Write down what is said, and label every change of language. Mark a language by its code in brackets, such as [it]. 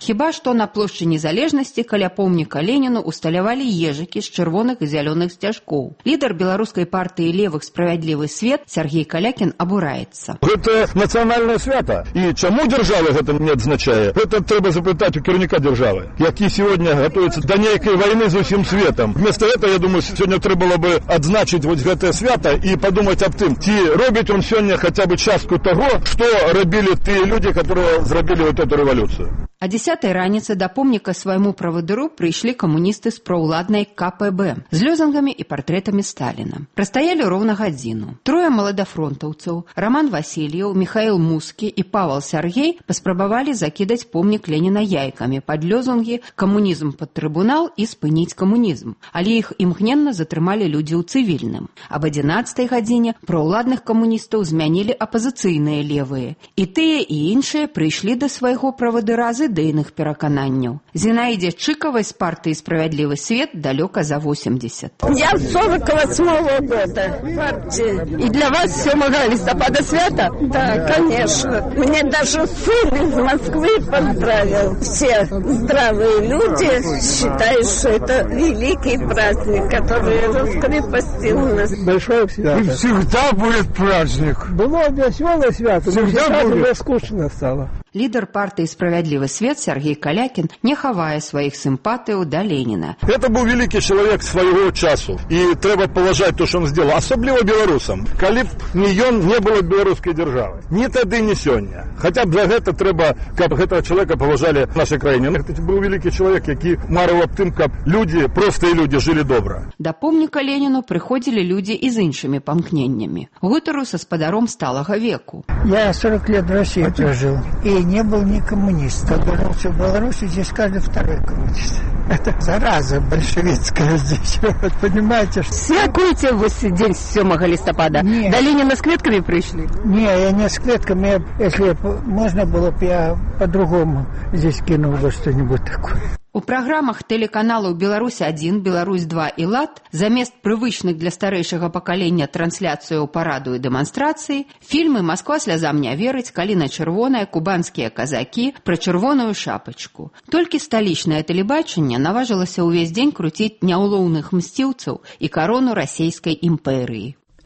[be] Хіба што на плошчы незалежнасці каля помніка Леніну усталявалі ежыкі з чырвоных і зялёных сцяжкоў. Лідар беларускай партыі левых «Справядлівы свет» Сергій Калякін абураецца. Гэта нацыянальнае свята. І чаму дзяржава гэта не адзначае? Гэта трэба запытаць у кіраўніка дзяржавы, які сёння гатуецца да нейкай вайны з усім светам. [ru] Вместо этого, я думаю, сегодня трэба было бы отзначить вот гэтае свято и подумать об тым, ці робіць он сёння хотя бы частку того, что робили тыя люди, которые зрабілі вот эту революцию. [be] А 10-й раніцы да помніка свайму правадыру прыйшлі камуністы з праўладнай КПБ з лёзангамі і партрэтамі Сталіна. Прастаялі роўна гадзіну. Трое маладафронтаўцаў, Раман Васільеў, Міхаіл Мускі і Павал Сяргей паспрабавалі закідаць помнік Леніна яйкамі пад лёзангі «Камунізм пад трыбунал» і «Спыніць камунізм». Але іх імгненна затрымалі людзі ў цывільным. Аб 11-й гадзіне праўладных камуністаў змянілі апазыцыйныя левыя. І тыя, і іншыя прыйшлі да свайго правадыра з ідэйных перакананняў. Зінаіде Чыкава з партыі «Справядлівы свет» далёка за 80. Я з 48-го года. І для вас 7 лістапада свята? [ru] Так, конечно. Мне даже сын з Москвы поздравил. Все здравые люди считают, что это великий праздник, который раскрепостил нас. Большое свято. И всегда будет праздник. Было весёлое свято, всегда но сейчас уже скучно стало. [be] Лідар партыі «Справядлівы свет» Сергій Калякін не хавае сваіх сімпатыяў да Леніна. Гэта быў вялікі чалавек свайго часу, і трэба паважаць то, што ён зрабіў, асабліва беларусам. Калі б не ён, не было б беларускай дзяржавы. Ні тады, ні сёння. Хаця б для гэта трэба, каб гэтага чалавека паважалі ў нашай краіне. Гэта быў вялікі чалавек, які марыў аб тым, каб людзі, простыя людзі жылі добра. Да помніка Леніну прыходзілі людзі і з іншымі памкненнямі. Гутару са спадаром сталага веку. [ru] Я 40 лет в России прожил. И не был ни коммунист. Тогда в Беларуси здесь каждый второй коммунист. Это зараза большевицкая здесь. Вот, понимаете, что... Все куете в день 7 листопада? Нет. До Ленина с клетками пришли? Нет, я не с клетками. Если можно было бы, я по-другому здесь кинул бы что-нибудь такое. [be] У праграмах тэлеканалаў «Беларусь-1», «Беларусь-2» і «ЛАД» замест прывычных для старэйшага пакалення трансляцыяў параду і дэманстрацыі, фільмы «Москва слязам не верыць», «Каліна чырвоная», «Кубанскія казакі», «Пра чырвоную шапачку». Толькі сталічнае тэлебачанне наважылася ўвесь дзень круціць няўлоўных мсціўцаў і карону расійскай імперыі.